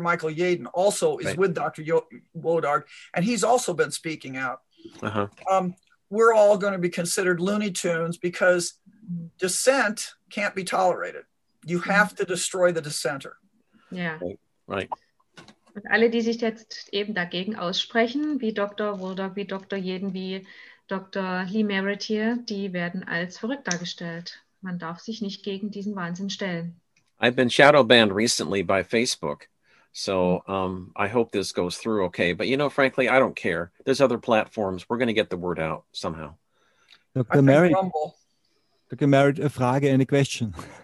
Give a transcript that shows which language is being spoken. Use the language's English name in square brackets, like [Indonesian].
[English] Michael Yaden, also is with Dr. Wodarg, and he's also been speaking out. Uh-huh. We're all going to be considered Looney Tunes because dissent can't be tolerated. You have to destroy the dissenter. Yeah. Right. [German] Und alle, die sich jetzt eben dagegen aussprechen, wie Dr. Wodarg, wie Dr. Yaden, wie Dr. Lee Merritt hier, die werden als verrückt dargestellt. Man darf sich nicht gegen diesen Wahnsinn stellen. [English] I've been shadow banned recently by Facebook. So I hope this goes through okay. But you know, frankly, I don't care. There's other platforms. We're going to get the word out somehow. [German] Dr. Merritt, eine Frage, eine Question.